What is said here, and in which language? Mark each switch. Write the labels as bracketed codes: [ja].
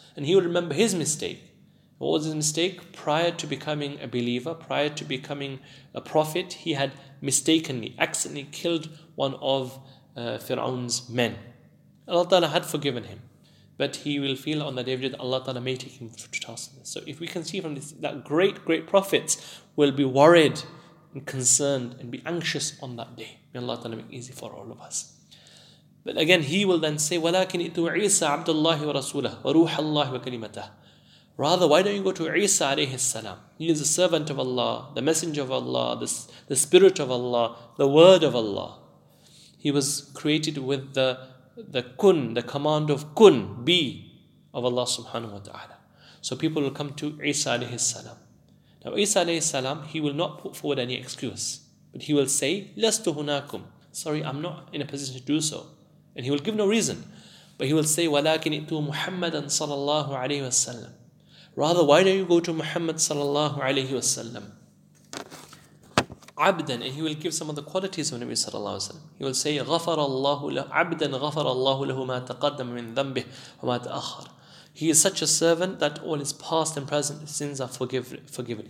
[en] And he will remember his mistake. What was his mistake? Prior to becoming a believer, prior to becoming a prophet, he had mistakenly, accidentally killed one of Fir'aun's men. Allah Ta'ala had forgiven him, but he will feel on the day of judgment Allah Ta'ala may take him to task. So if we can see from this, that great, great prophets will be worried and concerned and be anxious on that day. May Allah Ta'ala make it easy for all of us. But again, he will then say, [ar] وَلَكِنْ إِتُوا عِيسَىٰ عَبْدَ اللَّهِ وَرَسُولَهُ وَرُوحَ اللَّهِ وَكَلِمَتَهُ. [en] Rather, why don't you go to Isa alayhi salam? He is the servant of Allah, the messenger of Allah, the spirit of Allah, the word of Allah. He was created with the kun, the command of kun, be, of Allah subhanahu wa ta'ala. So people will come to Isa alayhi salam. Now Isa alayhi salam, he will not put forward any excuse, but he will say, [ar] لَسْتُ هُنَاكُمْ. [en] Sorry, I'm not in a position to do so. And he will give no reason. But he will say, [ar] وَلَكِنْ إِتُوا مُحَمَّدًا صَلَى اللَّهُ عَلَيْهِ وَسَلَّمْ. [en] Rather, why don't you go to Muhammad sallallahu alayhi wa sallam? Abdan, and he will give some of the qualities of Nabi sallallahu alayhi wa sallam. He will say, [ar] غَفَرَ اللَّهُ لَهُ عَبْدًا غَفَرَ اللَّهُ لَهُ مَا تَقَدَّمَ مِنْ ذَنْبِهِ وَمَا تَأَخَرَ. [en] He is such a servant that all his past and present sins are forgiven.